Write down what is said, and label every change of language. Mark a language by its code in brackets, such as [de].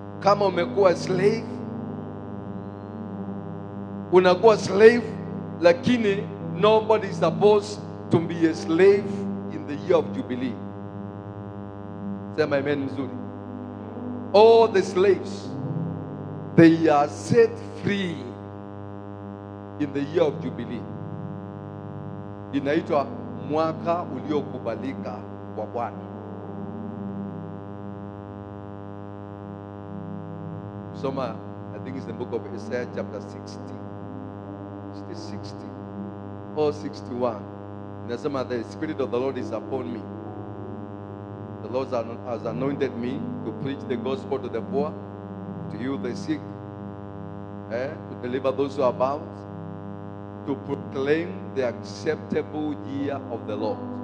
[sw] Kama umekuwa slave, unakuwa slave, lakini [en] nobody is supposed to be a slave in the year of Jubilee. [sw] Sema amen mzuri. [en] All the slaves, they are set free in the year of Jubilee. [sw] Inaitwa mwaka uliokubalika kwa Bwana. Soma, [en] I think it's the book of Isaiah chapter 60. It's 60 or 61. [sw] Nasema, [en] the Spirit of the Lord is upon me. The Lord has anointed me to preach the gospel to the poor, to heal the sick, to deliver those who are bound, to proclaim the acceptable year of the Lord.